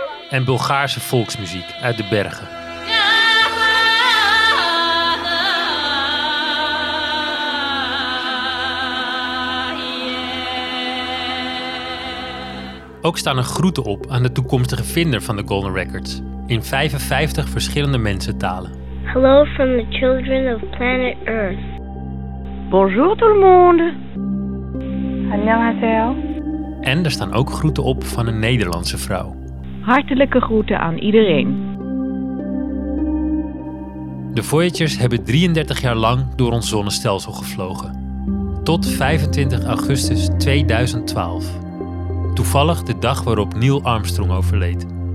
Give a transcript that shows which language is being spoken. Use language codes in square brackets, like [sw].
[nl] En Bulgaarse volksmuziek uit de bergen. Ook staan er groeten op aan de toekomstige vinder van de Golden Records. In 55 verschillende mensentalen. [en] Hello from the children of planet Earth. [fr] Bonjour tout le monde. [ko] 안녕하세요. [nl] En er staan ook groeten op van een Nederlandse vrouw. Hartelijke groeten aan iedereen. De Voyagers hebben 33 jaar lang door ons zonnestelsel gevlogen. Tot 25 augustus 2012. Toevallig de dag waarop Neil Armstrong overleed.